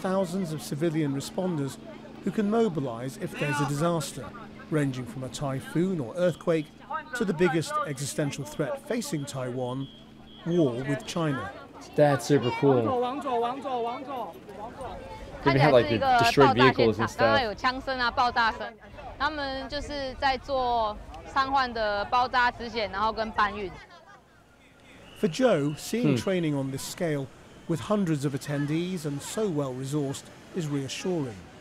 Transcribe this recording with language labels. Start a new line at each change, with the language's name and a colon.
English: Thousands of civilian responders who can mobilise if there's a disaster, ranging from a typhoon or earthquake to the biggest existential threat facing Taiwan, war with China. That's super cool. They have like the destroyed vehicles and stuff.
Chinese: 刚刚有枪声啊，爆炸声。他们就是在做伤患的包扎止血，然后跟搬运。
English: For Joe, seeing training on this scale, with hundreds of attendees and so well resourced, is reassuring.